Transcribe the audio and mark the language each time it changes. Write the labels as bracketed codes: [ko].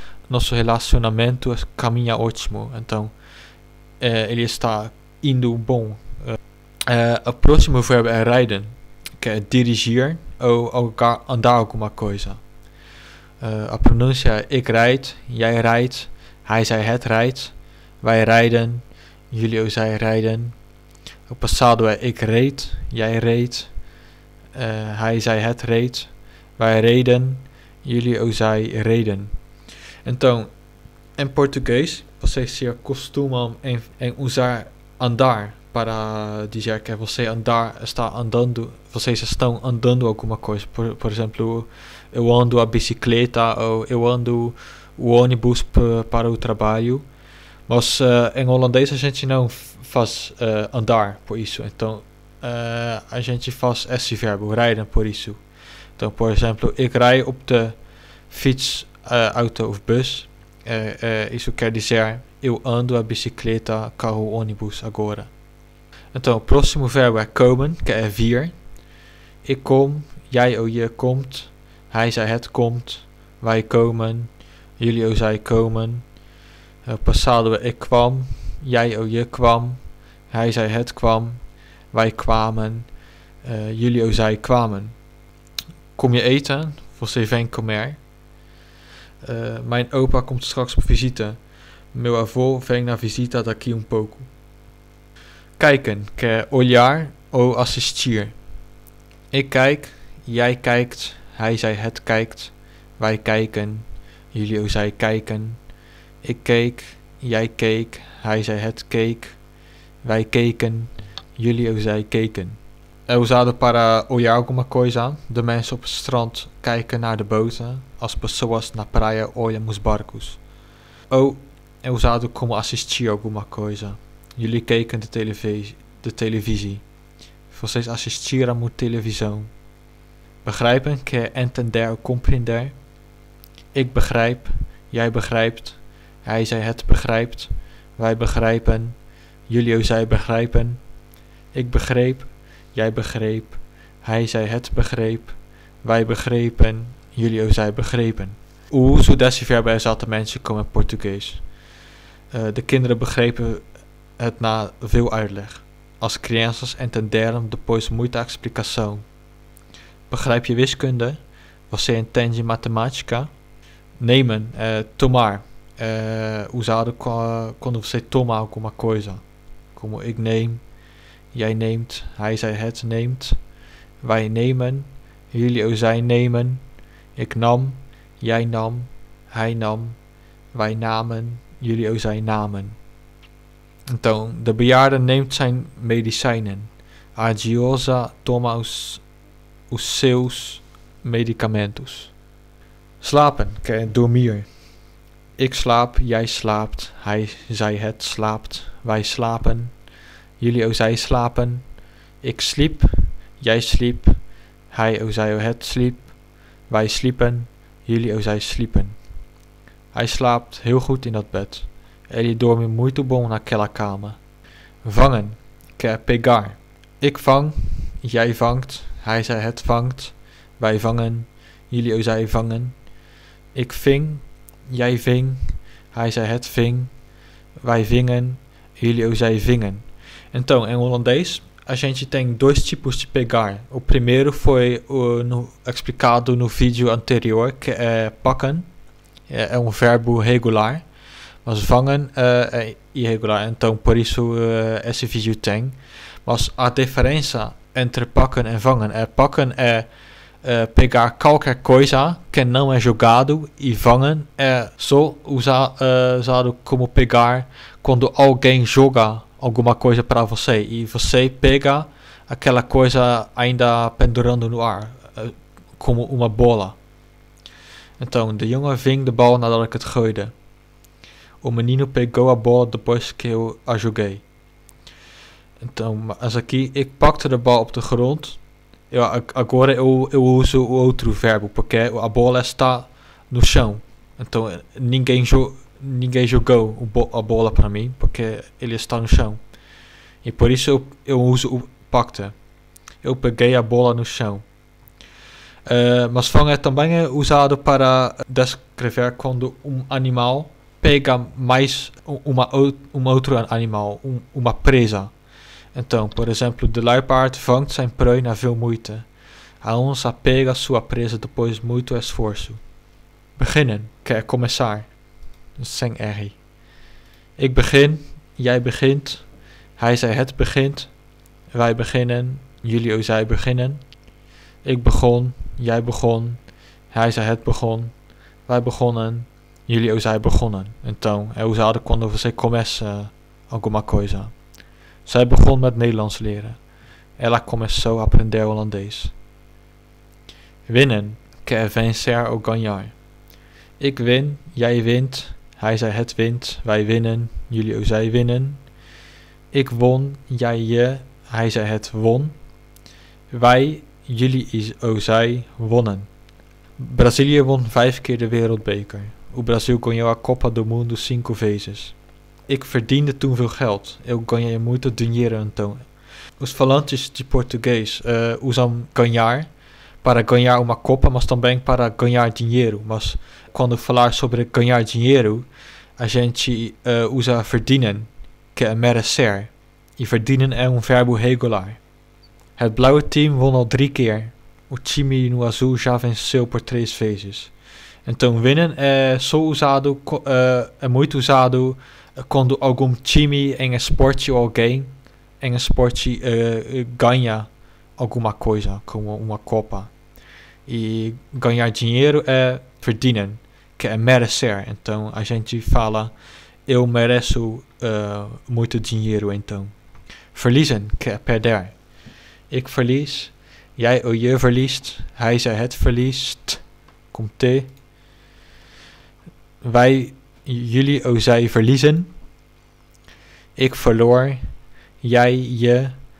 [pt] Nosso relacionamento caminha ótimo. Então, ele está indo bom. O próximo verbo é rijden. Que é dirigir ou andar alguma coisa. A pronúncia é [nl] ik rijd, jij rijdt. Hij, zij, het rijdt, wij rijden, jullie, ook zij rijden. [pt] O passado é [nl] ik reed, jij reed, hij, zij, het reed, wij reden, jullie, ook zij reden. [pt] Então, em português, vocês se acostumam em usar andar para dizer que você andar está andando, vocês estão andando alguma coisa. Por exemplo, eu ando a bicicleta ou eu ando o ônibus para o trabalho, mas em holandês a gente não faz andar por isso, então a gente faz esse verbo, rijden, por isso. Então, por exemplo, [nl] ik rij op de fiets, auto of bus, [pt] isso quer dizer, eu ando a bicicleta, carro, ônibus agora. Então, o próximo verbo é komen, que é vir. [nl] Ik kom, jij ou je komt, hij, zij, het komt, wij komen, jullie, ou zij komen. Passado, ik kwam. Jij, ou je kwam. Hij, zij, het kwam. Wij kwamen. Jullie, ou zij kwamen. Kom je eten? [pt] Você vem comer. [nl] Mijn opa komt straks op visite. [pt] Meu avô vem na visita daqui um pouco. [nl] Kijken, [pt] que é olhar ou assistir. [nl] Ik kijk. Jij kijkt. Hij, zij, het kijkt. Wij kijken. Jullie, ook zij kijken. Ik keek, jij keek, hij, zij, het keek. Wij keken, jullie, ook zij keken. [pt] É usado para olhar alguma coisa. [nl] De mensen op het strand kijken naar de boten. [pt] As pessoas na praia olham os barcos. Ou é usado como assistir alguma coisa. [nl] Jullie keken de televisie. [pt] vocês assistiram na televisão. Begrijpen quer entender ou compreender. [nl] Ik begrijp, jij begrijpt, hij zij het begrijpt, wij begrijpen, jullie zij begrijpen. Ik begreep, jij begreep, hij zij het begreep, wij begrepen, jullie zij begrepen. Hoe zo desiver bij zaten mensen komen Portugees. De kinderen begrepen het na veel uitleg. [pt] Als crianças entenderam depois muita explicação. [nl] Begrijp je wiskunde? [pt] Você entende matemática? Nemen, tomar. Usado quando você toma alguma coisa. [nl] Como ik neem, jij neemt, hij zij het neemt. Wij nemen, jullie ou zij nemen. Ik nam, jij nam, hij nam. Wij namen, jullie ou zij namen. Então, de bejaarde neemt zijn medicijnen. [pt] A idosa toma os seus medicamentos. [nl] Slapen, quer dormir. Ik slaap, jij slaapt, hij, zij, het slaapt, wij slapen, jullie, ou zij slapen. Ik sliep, jij sliep, hij, ou zij, ou het sliep, wij sliepen, jullie, ou zij sliepen. Hij slaapt heel goed in dat bed. [pt] Ele dorme muito bom naquela cama. Vangen, quer pegar. [nl] Ik vang, jij vangt, hij zij het vangt, wij vangen, jullie ou zij vangen. Ik ving, jij ving, hij zij het ving, wij vingen, jullie ou zij vingen. [pt] Então, em holandês, a gente tem dois tipos de pegar. O primeiro foi explicado no vídeo anterior, que é pakken, é verbo regular. Mas vangen é irregular, então por isso esse vídeo tem. Mas a diferença entre pakken e vangen é pakken é pegar qualquer coisa que não é jogado e vangen é só usado como pegar quando alguém joga alguma coisa para você e você pega aquela coisa ainda pendurando no ar, como uma bola. [nl] Então, de jongen ving de bal nadat ik het gooide. [pt] O menino pegou a bola depois que eu a joguei. Então, mas aqui, [nl] ik pakte de bal op de grond. [pt] Agora eu uso o outro verbo, porque a bola está no chão. Então, ninguém jogou a bola para mim, porque ele está no chão. E por isso eu uso o pakte. Eu peguei a bola no chão. Mas vangen também é usado para descrever quando animal pega mais outro animal, uma presa. Então, por exemplo, [nl] de luipaard vangt zijn prooi na veel moeite. [pt] A onça pega sua presa depois muito esforço. Beginnen, quer começar. Sem R. [nl] Ik begin, jij begint, hij zij het begint, wij beginnen, jullie ou zij beginnen. Ik begon, jij begon, hij zij het begon, wij begonnen. Jullie ou zij begonnen. [pt] Então, é usado quando você começa alguma coisa. [nl] Zij begon met Nederlands leren. [pt] Ela começou a aprender holandês. Winnen, quer vencer ou ganhar. [nl] Ik win, jij wint, hij zij het wint, wij winnen, jullie ou zij winnen. Ik won, jij je, hij zij het won. Wij, jullie ou zij, wonnen. Brazilië won 5 keer de wereldbeker. [pt] O Brasil ganhou a Copa do Mundo 5 vezes. [nl] Ik verdiende toen veel geld. [pt] Eu ganhei muito dinheiro então. Os falantes de português usam ganhar para ganhar uma copa, mas também para ganhar dinheiro. Mas quando falar sobre ganhar dinheiro, a gente usa verdienen, que é merecer. E verdienen é verbo regular. [nl] Het blauwe team won al 3 keer. [pt] O time no azul já venceu por 3 vezes. Então, winnen é só usado, é muito usado quando algum time em esporte ou alguém em esporte ganha alguma coisa, como uma copa. E ganhar dinheiro é verdienen, que é merecer. Então, a gente fala, eu mereço muito dinheiro, então. Verliezen, que é perder. [nl] Ik verlies, jij ou je verliest, hij zij het verliest, komt te. Wij, jullie ou zij verliezen. Ik verloor. Jij, je,